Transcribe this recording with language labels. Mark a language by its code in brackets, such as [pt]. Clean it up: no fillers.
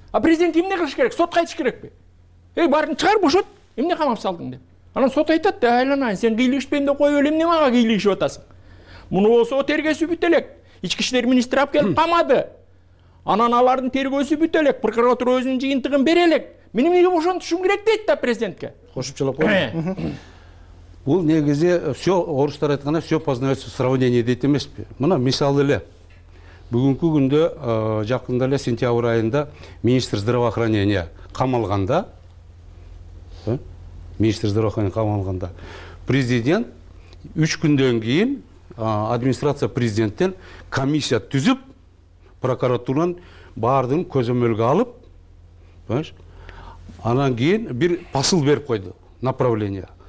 [ky] А президент эмне кылыш керек? Сотко айтыш керекпи? Эй баарын чыгар, бошот, эмне камап салдың деп. Анан сот айтат, айланайын, сен кийлигишпейм деп коюп эле эмне мага кийлигишип атасың? Муну болсо тергөөсү бүтө элек. Ички иштер министри алып келип камады. Анан алардын тергөөсү бүтө элек, прокуратура өзүнүн жыйынтыгын бере элек. Мен эмнеге бошонтушум керек дейт да президентке. Кошумчалап коеюн. Бул негизи все орустар айтканда [ru] все познается в сравнении [ky] дейт эмеспи. Мына мисалы эле бүгүнкү күндө жакында эле сентябрь айында [ru] министр здравоохранения [ky] камалганда, министр здравоохранения камалганда президент 3 күндөн кийин администрация президенттен комиссия түзүп прокуратуранын баардыгын көзөмөлгө алып, анан кийин бир посыл берип койду, направление.